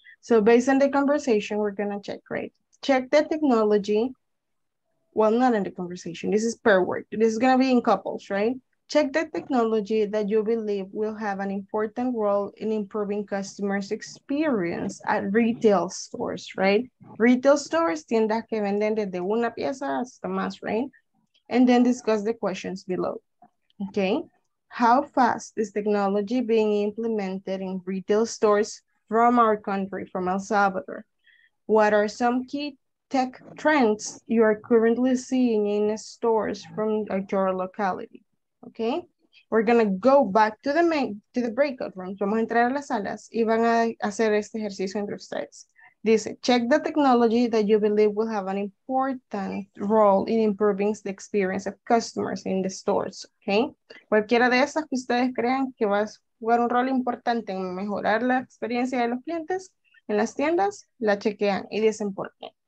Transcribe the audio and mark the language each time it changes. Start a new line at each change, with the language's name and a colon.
English: So based on the conversation, we're gonna check, right? Check the technology. Well, not in the conversation, this is pair work. This is gonna be in couples, right? Check the technology that you believe will have an important role in improving customers' experience at retail stores, right? Retail stores,
Spanish: tiendas que venden desde una pieza hasta más, right?
English: And then discuss the questions below, okay? How fast is technology being implemented in retail stores from our country, from El Salvador? What are some key tech trends you are currently seeing in stores from your locality? Okay, we're gonna go back to the main, to the breakout rooms.
Spanish: Vamos a entrar a las salas y van a hacer este ejercicio entre ustedes.
English: Dice, check the technology that you believe will have an important role in improving the experience of customers in the stores, okay?
Spanish: Cualquiera de esas que ustedes crean que va a jugar un rol importante en mejorar la experiencia de los clientes en las tiendas, la chequean y dicen por qué.